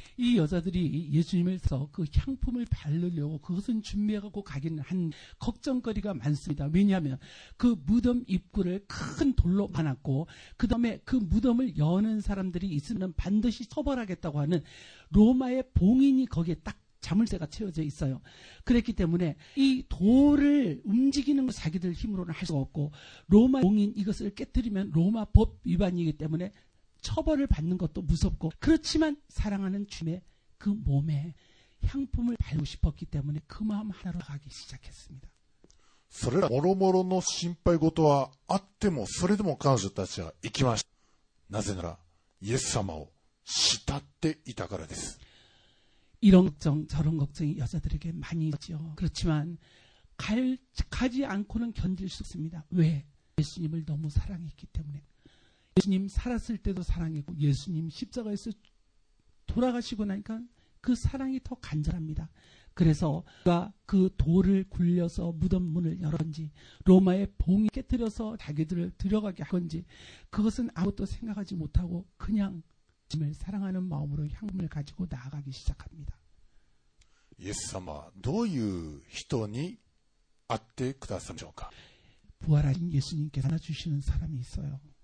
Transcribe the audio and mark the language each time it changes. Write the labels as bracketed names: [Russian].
[Korean] 이여자들이예수님을서그향품을바르려고그것은준비하고가기는한걱정거리가많습니다왜냐하면그무덤입구를큰돌로막아놨고그다음에그무덤을여는사람들이있으면반드시처벌하겠다고하는로마의봉인이거기에딱자물쇠가채워져있어요그랬기때문에이돌을움직이는걸자기들힘으로는할수가없고로마봉인이것을깨뜨리면로마법위반이기때문에처벌을받는것도무섭고그렇지만사랑하는주님의그몸에향품을바르고싶었기때문에그마음하나로가기시작했습니다 [Japanese] それらもろもろの心配事はあってもそれでも彼女たちは行きました。なぜならイエス様を慕っていたからです。 [Korean] 이런걱정저런걱정이여자들에게많이있죠그렇지만 가지않고는견딜수없습니다왜예수님을너무사랑했기때문에 예수님 살았을 때도 사랑했고 예수님 십자가에서 돌아가시고 나니까 그 사랑이 더 간절합니다. 그래서 누가 그 돌을 굴려서 무덤 문을 열었는지 로마의 봉이 깨뜨려서 자기들을 들어가게 한 건지 그것은 아무것도 생각하지 못하고 그냥 주님을 사랑하는 마음으로 향금을 가지고 나아가기 시작합니다. [Japanese] 예수様どういう人に会ってくださるでしょうか? [Korean] 부활하신 예수님께서 나눠주시는 사람이 있어요.